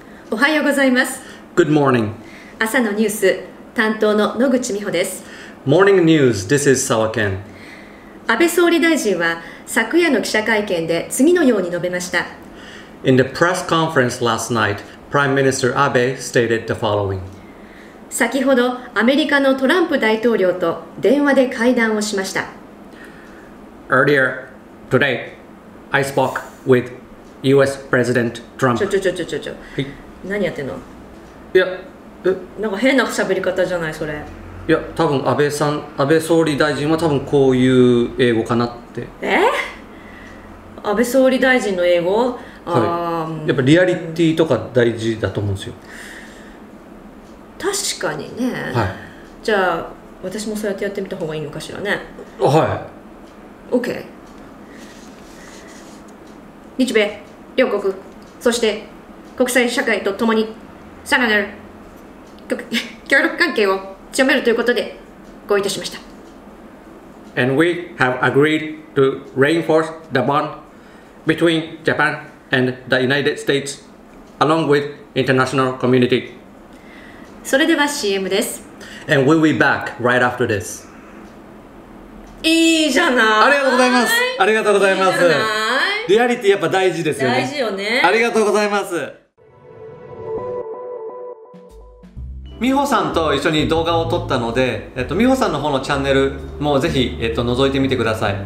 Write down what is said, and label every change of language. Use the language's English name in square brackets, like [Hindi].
[Japanese] おはようございます。 [English] Good morning. [Japanese] 朝のニュース担当の野口美穂です。 [English] Morning news. This is Sawa Ken. [Japanese] 安倍総理大臣は昨夜の記者会見で次のように述べました。 [English] In the press conference last night, Prime Minister Abe stated the following. [Japanese] 先ほどアメリカのトランプ大統領と電話で会談をしました。 [English] Earlier today, I spoke with US President Trump. [Japanese] ちょ、何やってんの？いや、なんか変な喋り方じゃないそれ。いや、多分安倍さん、安倍総理大臣は多分こういう英語かなって。え？安倍総理大臣の英語？はい、やっぱリアリティとか大事だと思うんですよ。確かにね、はい、じゃあ私もそうやってやってみた方がいいのかしらね。はい、 [English] OK。 [Japanese] 日米両国そして国際社会とともにさらなる協力関係を強めるということで合意いたしました。 [English] And we have agreed to reinforce the bond between Japan and the United States along with international community [Japanese] それでは CM です。 [English] And we'll be back right after this. [Japanese] いいじゃない。ありがとうございます。ありがとうございます。いいじゃない。リアリティやっぱ大事ですよね。大事よね。ありがとうございます。美穂さんと一緒に動画を撮ったので、美穂さんの方のチャンネルもぜひ、覗いてみてください。